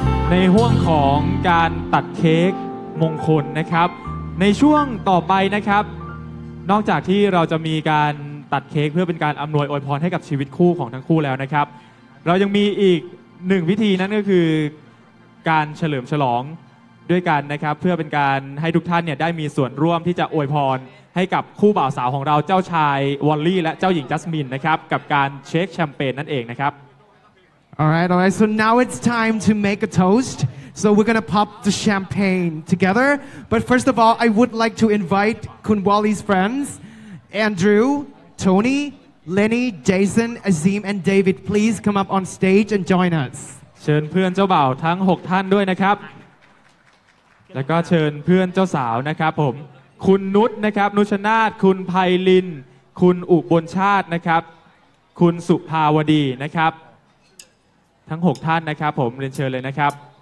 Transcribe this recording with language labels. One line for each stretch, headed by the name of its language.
Thai: ในห้วงของการตัดเค้กมงคลนะครับในช่วงต่อไปนะครับนอกจากที่เราจะมีการตัดเค้กเพื่อเป็นการอำนวยอวยพรให้กับชีวิตคู่ของทั้งคู่แล้วนะครับเรายังมีอีกหนึ่งวิธีนั่นก็คือการเฉลิมฉลองด้วยกันนะครับเพื่อเป็นการให้ทุกท่านเนี่ยได้มีส่วนร่วมที่จะอวยพรให้กับคู่บ่าวสาวของเราเจ้าชายวอลลี่และเจ้าหญิงจัสมินนะครับกับการเช็คแชมเปญนั่นเองนะครับ
English: Alright, alright, so now it's time to make a toast. So we're gonna pop the champagne together. But first of all, I would like to invite Kun Wally's friends, Andrew, Tony, Lenny, Jason, Azim, and David, please come up on stage and join us.
Thai: เชิญเพื่อนเจ้าบ่าวทั้ง6ท่านด้วยนะครับ แล้วก็เชิญเพื่อนเจ้าสาวนะครับผม คุณนุชนะครับนุชนาถคุณไพลินคุณอุบลชาตินะครับคุณสุภาวดีนะครับทั้ง6ท่านนะครับผมเรียนเชิญเลยนะครับ